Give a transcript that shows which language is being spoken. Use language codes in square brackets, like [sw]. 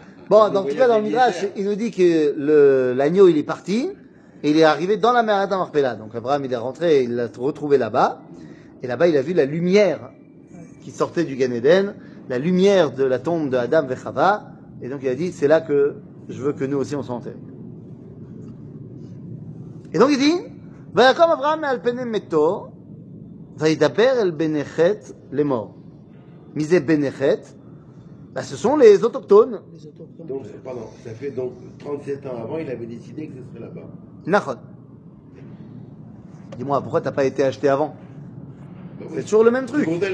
[fr] Bon, donc en tout cas, dans le Midrash, il nous dit que l'agneau, il est parti, et il est arrivé dans la mer à Tamarpella. Donc Abraham, il est rentré, il l'a retrouvé là-bas, et là-bas, il a vu la lumière qui sortait du Gan Eden, la lumière de la tombe de Adam et Chava, et donc il a dit, c'est là que je veux que nous aussi, on s'enterre. Et donc il dit... [he] ויקום אברהם מעל פני מתו וידבר אל בני חת לאמור. מי זה בני חת? [fr] Bah, ce sont les autochtones. Donc, pardon, ça fait donc 37 ans avant, il avait décidé que ce serait là-bas. [he] Nachon. [fr] Dis-moi, pourquoi t'as pas été acheté avant? C'est toujours le même truc.